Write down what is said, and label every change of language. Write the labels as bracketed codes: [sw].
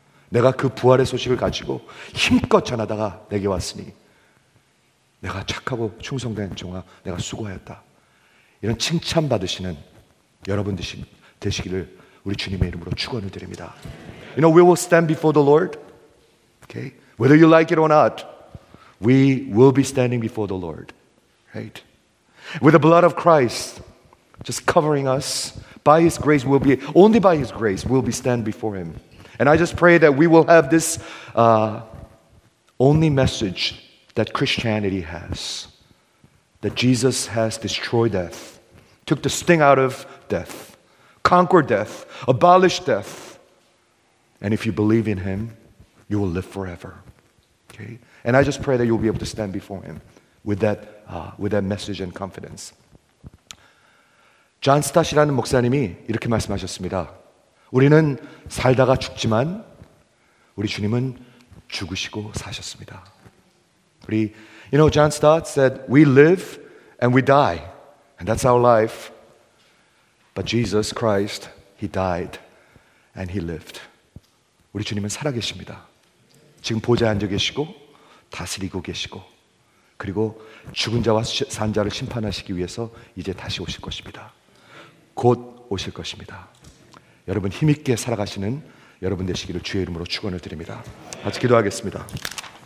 [ko] 내가 그 부활의 소식을 가지고 힘껏 전하다가 내게 왔으니 내가 착하고 충성된 종아 내가 수고하였다. 이런 칭찬받으시는 여러분 되시기를 우리 주님의 이름으로 축원을 드립니다. [en] You know, we will stand before the Lord. Okay? Whether you like it or not, we will be standing before the Lord. Right? With the blood of Christ just covering us, by His grace we'll be, only by His grace we'll be stand before Him. And I just pray that we will have this only message that Christianity has, that Jesus has destroyed death, took the sting out of death, conquered death, abolished death. And if you believe in him, you will live forever. Okay? And I just pray that you'll be able to stand before him with that message and confidence. [ko] John Stott이라는 목사님이 이렇게 말씀하셨습니다. 우리는 살다가 죽지만 우리 주님은 죽으시고 사셨습니다. 우리, [en] you know, John Stott said, we live and we die, and that's our life. But Jesus Christ, he died and he lived. [ko] 우리 주님은 살아계십니다. 지금 보좌에 앉아계시고 다스리고 계시고 그리고 죽은 자와 산 자를 심판하시기 위해서 이제 다시 오실 것입니다. 곧 오실 것입니다. 여러분 힘있게 살아가시는 여러분 되시기를 주의 이름으로 축원을 드립니다. 같이 기도하겠습니다.